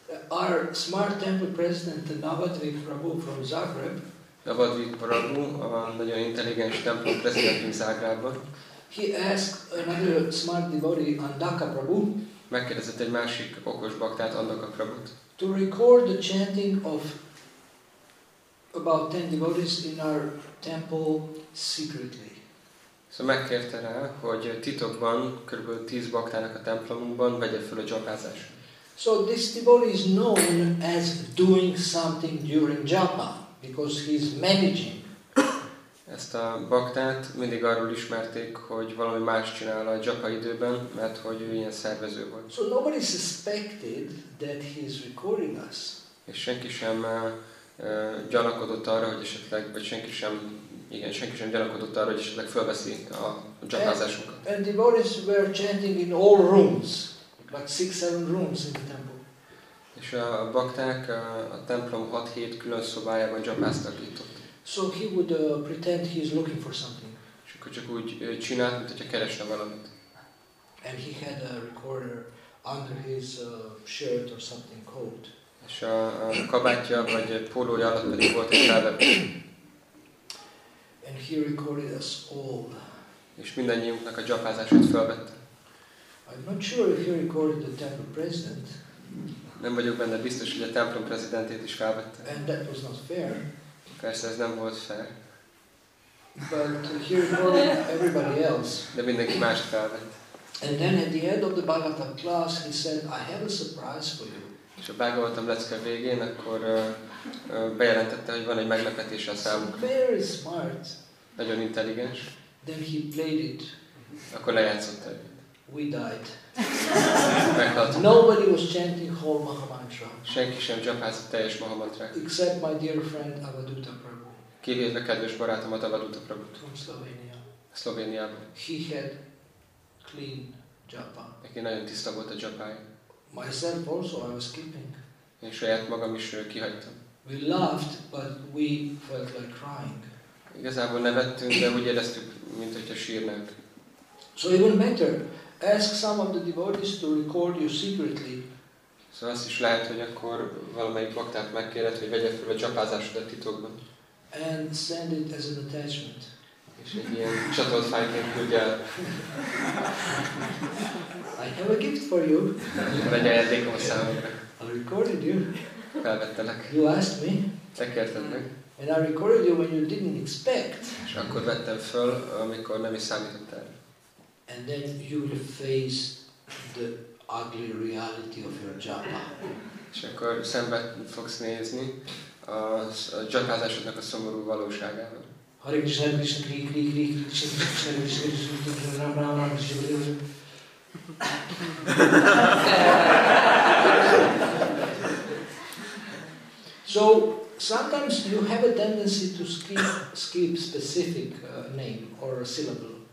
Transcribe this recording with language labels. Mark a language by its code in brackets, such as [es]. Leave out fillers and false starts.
[en] Our smart temple president, Navadvip Prabhu from Zagreb, [hu] Navadvip Prabhu, a nagyon intelligens templom prezidentünk Zágrában. [en] He asked another smart devotee, Andaka Prabhu. [hu] Megkérdezett egy másik okos baktát, Andaka Prabhut. [en] To record the chanting of about 10 devotees in our temple secretly. [hu] Szóval megkérte rá, hogy titokban kb. 10 baktának a templomunkban vegye fel a dzsapázás. [en] So this devotee is known as doing something during japa. Because he's managing. [hu] Ezt a baktát mindig arról ismerték, hogy valami más csinál a dzsapa időben, mert hogy ő ilyen szervező volt. [en] So nobody suspected that he's recording us. [hu] És senki sem gyanakodott arra, hogy esetleg, vagy senki sem gyanakodott arra, hogy esetleg fölveszi a dzsapázásunkat. [en] And devotees were chanting in all rooms, like 6-7 rooms in the temple. [hu] És a bakták a templom 6-7 külön szobájában dzsapáztak itt. [en] So he would pretend he is looking for something. [hu] És akkor csak úgy csinált, mint hogyha keresne valamit. [en] And he had a recorder under his shirt or something coat. [hu] És a kabátja vagy pólója alatt pedig volt egy felvevő. [en] And he recorded us all. [hu] És mindannyiunknak a dzsapázását felvette. [en] I'm not sure if he recorded the temple president. [hu] Nem vagyok benne biztos, hogy a templom prezidentét is felvette. [en] And that was not fair. [hu] Persze ez nem volt fair. [en] But here more than everybody else. [hu] De mindenki más felvett. [en] And then at the end of the Bhagavatam class, he said, "I have a surprise for you." [hu] És a Bhagavatam lecke végén, akkor bejelentette, hogy van egy meglepetés a számunkra. [en] Very smart. [hu] Nagyon intelligens. [en] Then he played it. [hu] Akkor lejátszott. [en] We died. [hu] Meghaltunk. [en] Nobody was chanting whole Mahamantra. [hu] Senki sem japázott teljes Mahamantrát. [en] Except my dear friend Avaduta Prabhu. [hu] Kivéve kedves barátomat, Avaduta Prabhut. [en] From Slovenia. [hu] Szlovéniában. [en] He had clean japa. [hu] Neki nagyon tiszta volt a japája. [en] Myself also, I was keeping. [hu] Én saját magam is kihagytam. [en] We laughed, but we felt like crying. [hu] Igazából nevettünk, de úgy éreztük, mint hogyha sírnánk. [en] So even better, ask some of the devotees to record you secretly. [hu] Szóval azt is lehet, hogy akkor valamelyik baktát megkéred, hogy vegye fel a csapázásodat titokban. [en] And send it as an attachment. [hu] És egy ilyen csatolt fájként küldje el. [en] I have a gift for you. [hu] Vegye eldékom a számomra. [en] I recorded you. [hu] Felvettelek. [en] You asked me. [hu] Te kérted meg. [en] And I recorded you when you didn't expect. [hu] És akkor vettem föl, amikor nem is számítottál. [en] And then you will face the ugly reality of your japa. [hu] És akkor szembe fogsz nézni a japázásodnak a szomorú valóságával. [en] Hare Krishna Krishna Krishna Krishna Krishna Krishna Krishna Krishna Krishna Krishna Krishna Krishna Krishna Krishna Krishna Krishna Krishna Krishna Krishna sometimes you have a tendency to skip specific name or a syllable.